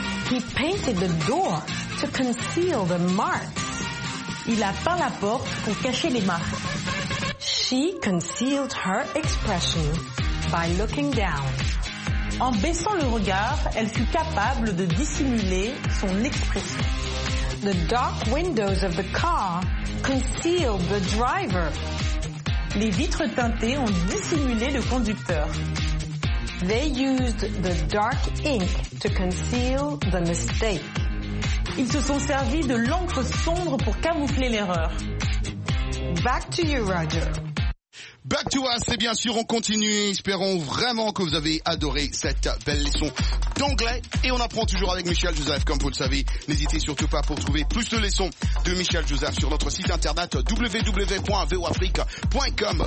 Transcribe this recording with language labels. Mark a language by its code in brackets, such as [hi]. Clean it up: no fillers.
[en] He painted the door to conceal the marks. [fr] Il a peint la porte pour cacher les marques. [en] She concealed her expression by looking down. [fr] En baissant le regard, elle fut capable de dissimuler son expression. [en] The dark windows of the car concealed the driver. [fr] Les vitres teintées ont dissimulé le conducteur. [en] They used the dark ink to conceal the mistake. [fr] Ils se sont servis de l'encre sombre pour camoufler l'erreur. [en] Back to you, Roger. Back to us, [fr] et bien sûr, on continue. Espérons vraiment que vous avez adoré cette belle leçon d'anglais. Et on apprend toujours avec Michel Joseph, comme vous le savez. N'hésitez surtout pas pour trouver plus de leçons de Michel Joseph sur notre site internet www.voafrique.com.